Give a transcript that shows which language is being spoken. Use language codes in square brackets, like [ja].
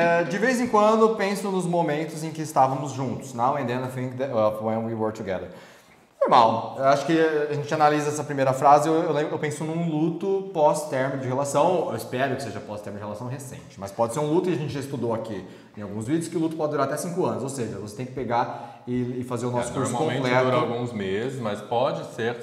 [pt] De vez em quando penso nos momentos em que estávamos juntos. [en] Now and then I think of when we were together. [pt] Normal. Eu acho que a gente analisa essa primeira frase, eu penso num luto pós-término de relação, eu espero que seja pós-término de relação recente, mas pode ser um luto e a gente já estudou aqui em alguns vídeos que o luto pode durar até 5 anos, ou seja, você tem que pegar e fazer o nosso curso completo. Normalmente dura alguns meses, mas pode ser,